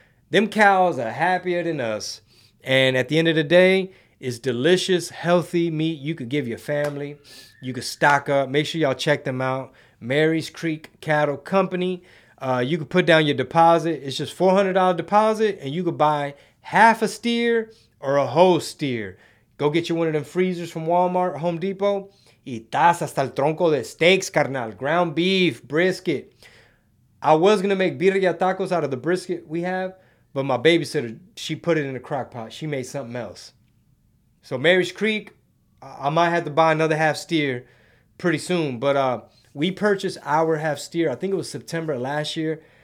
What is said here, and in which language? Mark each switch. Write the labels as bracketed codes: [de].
[en] Them cows are happier than us. And at the end of the day, it's delicious, healthy meat you could give your family. You could stock up. Make sure y'all check them out. Mary's Creek Cattle Company. You could put down your deposit. It's just $400 deposit, and you could buy half a steer or a whole steer. Go get you one of them freezers from Walmart, Home Depot. [es] Y tas hasta el tronco de steaks, carnal. [en] Ground beef, brisket. I was going to make birria tacos out of the brisket we have, but my babysitter, she put it in a crock pot. She made something else. So Mary's Creek, I might have to buy another half steer pretty soon. But we purchased our half steer, I think it was September last year.